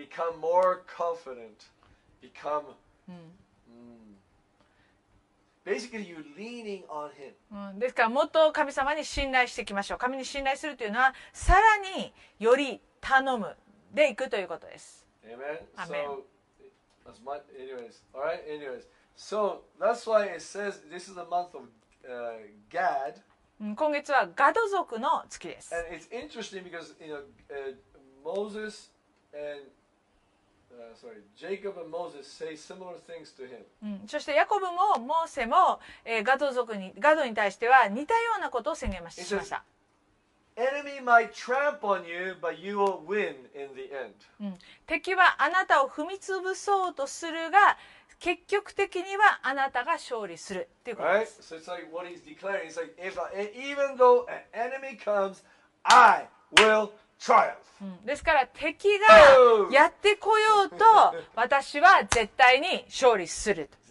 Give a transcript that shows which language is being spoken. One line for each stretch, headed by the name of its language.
English: Become more confident. Become. Basically, you leaning on him.
Japanese: ですからもっと神様に信頼していきましょう。神に信頼するというのはさらにより頼むでいくということです。
English: Amen. So, as much. Anyways, all right. Anyways, so that's why it says this is the month of Gad.
Japanese: 今月はガド族の月です。
English: And it's interesting because, you know, Moses and, sorry, Jacob and Moses say similar things to him.
Japanese: そしてヤコブもモーセも、ガド族にガドに対しては似たようなことを宣言しました。
English: Enemy might tramp on you, but you will win in the end.
Japanese: 敵はあなたを踏みつぶそうとするが、結局的にはあなたが勝利するということです。
English: Right? So it's like what he's declaring. It's like if I, even though an enemy comes, I will triumph.
Japanese: ですから敵がやってこようと私は絶対に勝利すると。